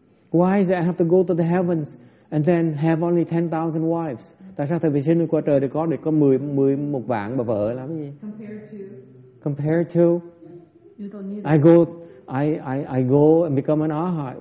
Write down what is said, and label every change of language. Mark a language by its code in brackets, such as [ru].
[en] Why is it I have to go to the heavens and then have only 10,000 wives? [vi] Tại sao thầy phải sinh qua trời để có được có 10-11 vạn bà vợ làm gì? [en] Compared to, you don't need. I go, I go and become an arhat.